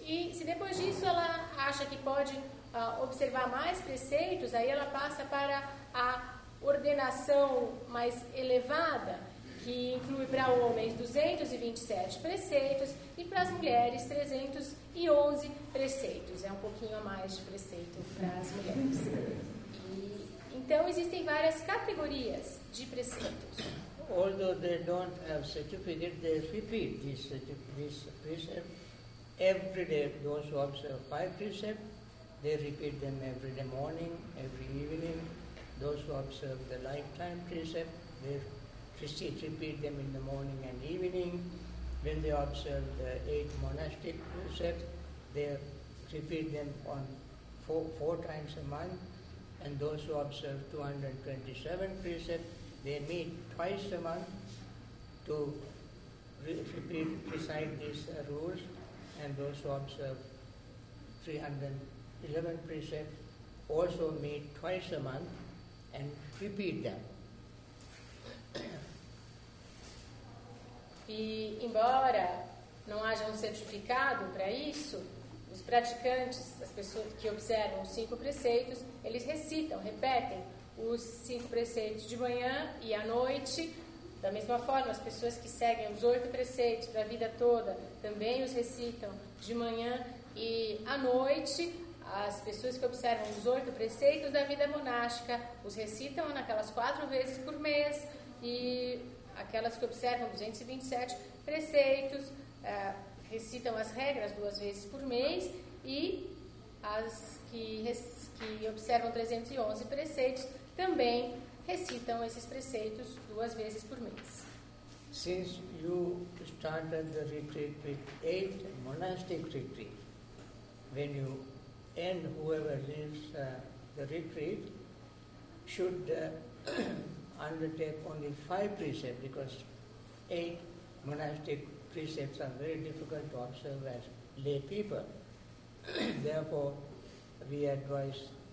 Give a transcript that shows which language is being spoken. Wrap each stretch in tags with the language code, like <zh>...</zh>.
<pt>E se depois disso ela acha que pode observar mais preceitos, aí ela passa para a ordenação mais elevada, que inclui para homens 227 preceitos e para as mulheres 311 preceitos. É um pouquinho a mais de preceito para as mulheres. Então, existem várias categorias de preceitos.</pt> <en>Although they don't have certificate, they repeat this precept every day. Those who observe 5 precepts, they repeat them every day morning, every evening. Those who observe the lifetime precept, they repeat them in the morning and evening. When they observe the 8 monastic precepts, they repeat them on 4 times a month. And those who observe 227 precepts, they meet twice a month to recite these rules. And those who observe 311 precepts also meet twice a month and repeat them.</en> <pt>E embora não haja um certificado para isso, os praticantes, as pessoas que observam os 5 preceitos, eles recitam, repetem os 5 preceitos de manhã e à noite. Da mesma forma, as pessoas que seguem os 8 preceitos para a vida toda também os recitam de manhã e à noite. As pessoas que observam os 8 preceitos da vida monástica os recitam naquelas 4 vezes por mês. E aquelas que observam 227 preceitos recitam as regras 2 vezes por mês, e as que observam 311 preceitos também recitam esses preceitos 2 vezes por mês.</pt> <en>Since you started the retreat with 8 monastic retreat, when you end, whoever leaves the retreat should undertake only 5 precepts, because 8 monastic precepts are very difficult to observe as lay people. Therefore, we advise</en>